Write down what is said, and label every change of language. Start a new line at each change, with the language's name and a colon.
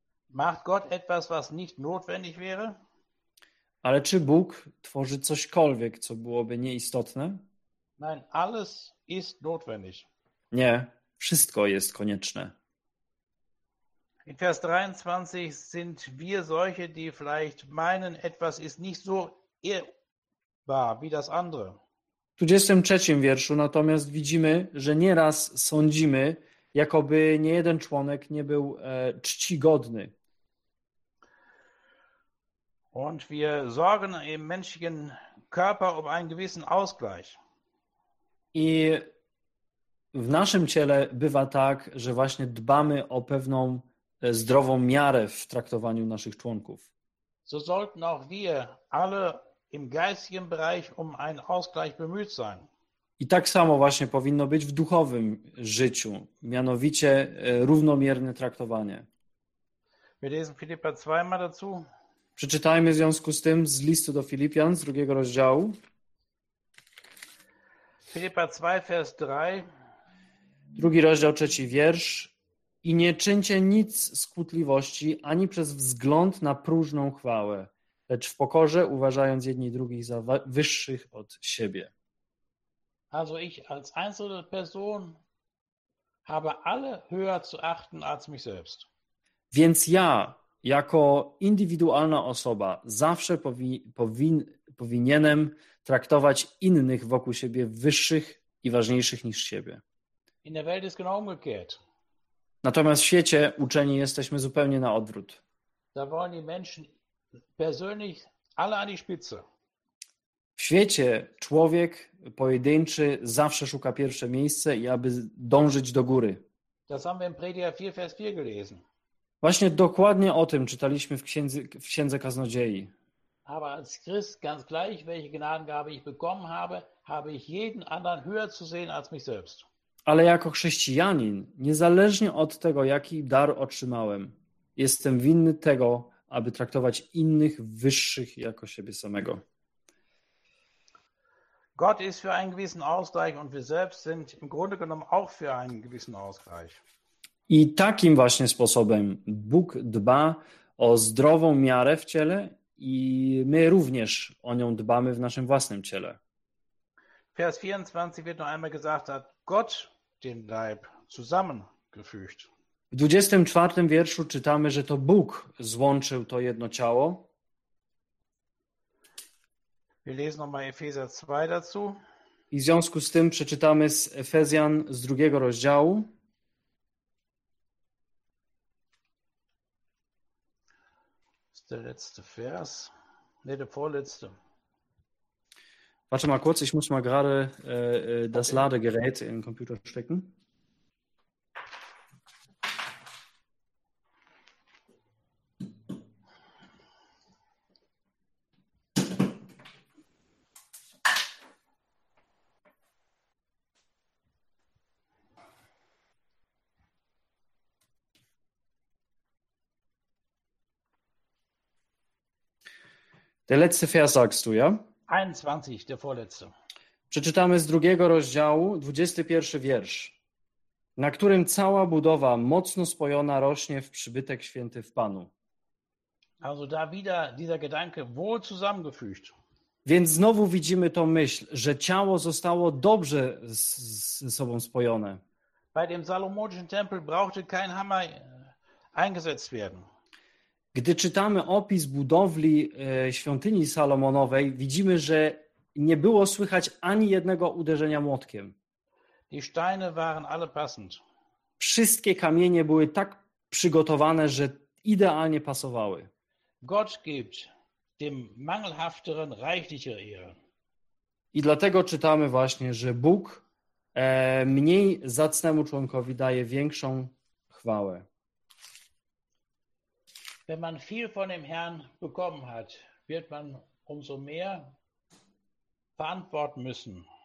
German: Macht Gott etwas, was nicht notwendig wäre?
Polish: Ale czy Bóg tworzy cośkolwiek, co byłoby nieistotne?
German: Nein, alles ist notwendig.
Polish: Nie, wszystko jest konieczne.
German: In Vers 23 sind wir solche, die vielleicht meinen, etwas ist nicht so ehrbar wie das andere.
Polish: W 23 wierszu natomiast widzimy, że nieraz sądzimy, jakoby nie jeden członek nie był czcigodny.
German: Und wir sorgen im menschlichen Körper um einen gewissen Ausgleich.
Polish: I w naszym ciele bywa tak, że właśnie dbamy o pewną zdrową miarę w traktowaniu naszych członków.
German: So sollten auch wir alle im geistigen Bereich um einen Ausgleich bemüht sein.
Polish: I tak samo właśnie powinno być w duchowym życiu, mianowicie równomierne traktowanie.
German: Wir lesen Philipper zweimal dazu.
Polish: Przeczytajmy w związku z tym z listu do Filipian z drugiego rozdziału.
German: Filipa 2, vers 3.
Polish: Drugi rozdział, trzeci wiersz. I nie czyńcie nic z kłótliwości, ani przez wzgląd na próżną chwałę, lecz w pokorze uważając jedni drugich za wyższych od siebie.
German: Also ich als einzelne Person habe alle höher zu achten als mich selbst.
Polish: Więc ja jako indywidualna osoba zawsze powinienem traktować innych wokół siebie wyższych i ważniejszych niż siebie.
German: In der Welt ist genau umgekehrt.
Polish: Natomiast w świecie uczeni jesteśmy zupełnie na odwrót.
German: Da wollen die Menschen persönlich alle an die Spitze.
Polish: W świecie człowiek pojedynczy zawsze szuka pierwsze miejsce i aby dążyć do góry.
German: Das haben wir in Prediger 4, Vers 4 gelesen.
Polish: Właśnie dokładnie o tym czytaliśmy w Księdze Kaznodziei.
German: Aber als Christ ganz gleich, welche Gnadengabe ich bekommen habe, habe ich jeden anderen höher zu sehen als mich selbst.
Polish: Ale jako chrześcijanin, niezależnie od tego, jaki dar otrzymałem, jestem winny tego, aby traktować innych wyższych jako siebie samego.
German: Gott ist für einen gewissen Ausgleich und wir selbst sind im Grunde genommen auch für einen gewissen Ausgleich.
Polish: I takim właśnie sposobem Bóg dba o zdrową miarę w ciele i my również o nią dbamy w naszym własnym ciele.
German: Vers 24 wird noch einmal gesagt, hat Gott den Leib zusammengefügt.
Polish: W 24 wierszu czytamy, że to Bóg złączył to jedno ciało.
German: Wir lesen noch mal Epheser 2 dazu.
Polish: I w związku z tym przeczytamy z Efezjan z drugiego rozdziału.
German: Der letzte Vers. Nee, der vorletzte. Warte mal kurz, ich muss mal gerade das Ladegerät in den Computer stecken. Der letzte Vers sagst du, ja? 21, der vorletzte.
Polish: Przeczytamy z drugiego rozdziału, 21 wiersz, na którym cała budowa mocno spojona rośnie w przybytek święty w Panu.
German: Also da wieder dieser Gedanke wohl zusammengefügt.
Polish: Więc znowu widzimy tą myśl, że ciało zostało dobrze ze sobą spojone.
German: Bei dem salomonischen Tempel brauchte kein Hammer eingesetzt werden.
Polish: Gdy czytamy opis budowli świątyni Salomonowej, widzimy, że nie było słychać ani jednego uderzenia młotkiem.
German: Die Steine waren alle passend.
Polish: Wszystkie kamienie były tak przygotowane, że idealnie pasowały.
German: Gott gibt dem mangelhafteren reichliche Ehre.
Polish: I dlatego czytamy właśnie, że Bóg mniej zacnemu członkowi daje większą chwałę.
German: Wenn man viel von dem Herrn bekommen hat, wird man umso mehr verantworten müssen.